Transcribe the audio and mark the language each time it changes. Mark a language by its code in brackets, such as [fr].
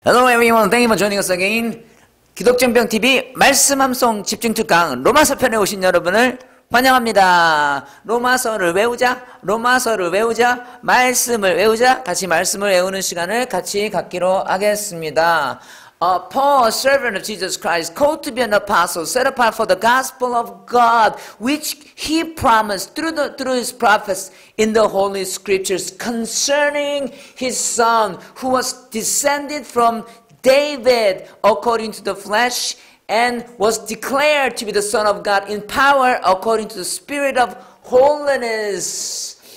[en] Hello everyone, thank you for joining us again. [ko] 기독전병TV 말씀함송 집중특강 로마서 편에 오신 여러분을 환영합니다. 로마서를 외우자, 로마서를 외우자, 말씀을 외우자, 같이 말씀을 외우는 시간을 같이 갖기로 하겠습니다. [en] Paul, a servant of Jesus Christ, called to be an apostle, set apart for the gospel of God, which he promised through his prophets in the holy scriptures concerning his son, who was descended from David according to the flesh, and was declared to be the son of God in power according to the spirit of holiness.